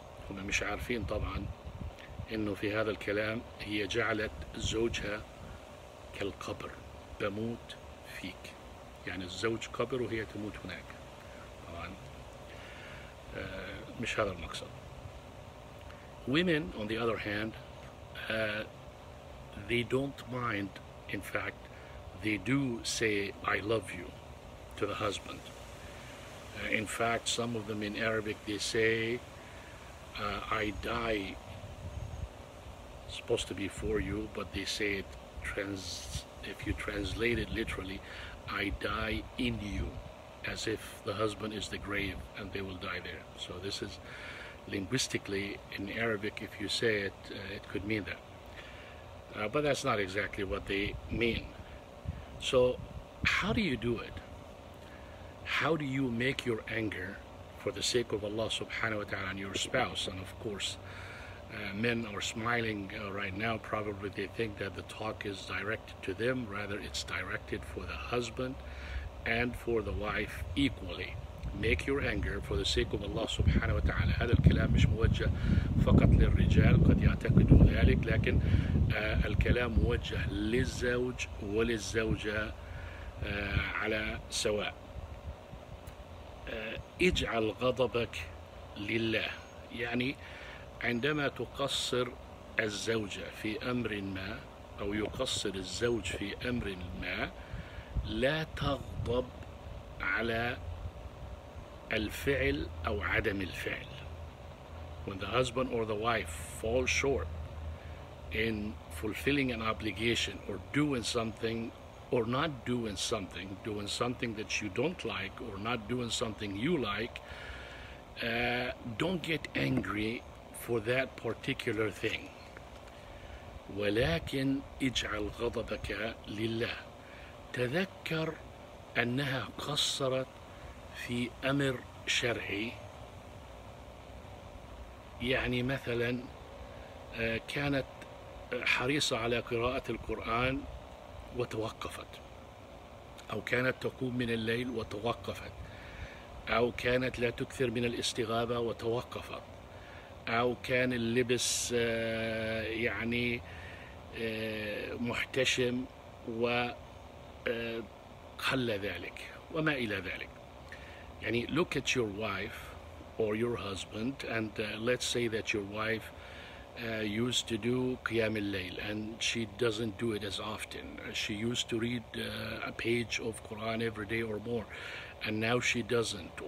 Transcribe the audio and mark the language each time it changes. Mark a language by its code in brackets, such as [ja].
[ar] هم مش عارفين طبعا أنه في هذا الكلام هي جعلت زوجها كالقبر، بموت فيك، يعني الزوج قبر وهي تموت هناك. طبعا مش هذا المقصد. [en] Women, on the other hand, they don't mind. In fact, they do say, I love you, to the husband. In fact, some of them in Arabic, they say, I die, it's supposed to be for you, but they say it, if you translate it literally, I die in you, as if the husband is the grave and they will die there. So this is linguistically in Arabic, if you say it, it could mean that, but that's not exactly what they mean. So how do you do it? How do you make your anger for the sake of Allah subhanahu wa ta'ala and your spouse? And of course, men are smiling right now. Probably they think that the talk is directed to them. Rather, it's directed for the husband and for the wife equally. make your anger for the sake of Allah subhanahu wa ta'ala. [ar] هذا الكلام مش موجه فقط للرجال قد يعتقدوا ذلك، لكن الكلام موجه للزوج وللزوجة على سواء. اجعل غضبك لله، يعني عندما تقصر الزوجة في أمر ما أو يقصر الزوج في أمر ما، لا تغضب على الفعل أو عدم الفعل. When the husband or the wife falls short in fulfilling an obligation or doing something or not doing something, doing something that you don't like or not doing something you like, don't get angry for that particular thing. ولكن اجعل غضبك لله. تذكر أنها قصرت في أمر شرعي، يعني مثلا كانت حريصة على قراءة القرآن وتوقفت، أو كانت تقوم من الليل وتوقفت، أو كانت لا تكثر من الاستغابة وتوقفت، أو كان اللبس يعني محتشم وقل ذلك وما إلى ذلك. [en] يعني look at your wife or your husband, and let's say that your wife used to do قيام الليل and she doesn't do it as often. She used to read a page of Quran every day or more, and now she doesn't.